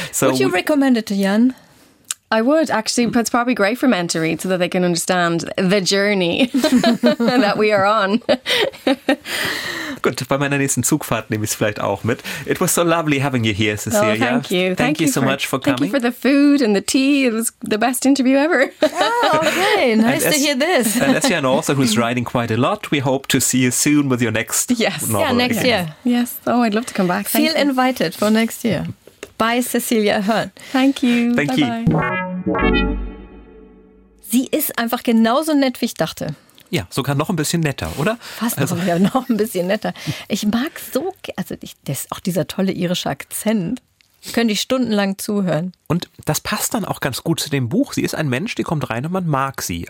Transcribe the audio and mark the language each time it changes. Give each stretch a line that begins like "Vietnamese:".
English: So would you recommend it to Jan? I would, actually. But it's probably great for men to read so that they can understand the journey that we are on.
German: Gut, bei meiner nächsten Zugfahrt nehme ich es vielleicht auch mit.
English: It was so lovely having you here, Cecilia. Oh, thank you. Thank you so much for coming. Thank you for the food and the tea. It was the best interview ever. Oh, okay. Nice to hear this. And as you're an author who's writing quite a lot, we hope to see you soon with your next novel. Yeah, next year. Yes. Oh, I'd love to come back. Feel invited for next year. Bye, Cecilia Hearn. Thank you. Thank you.
German: Sie ist einfach genauso nett, wie ich dachte. Ja, sogar noch ein bisschen netter, oder? Noch ein bisschen netter. Ich mag so, auch dieser tolle irische Akzent. Könnte ich stundenlang zuhören. Und das passt dann auch ganz gut zu dem Buch. Sie ist ein Mensch, die kommt rein und man mag sie.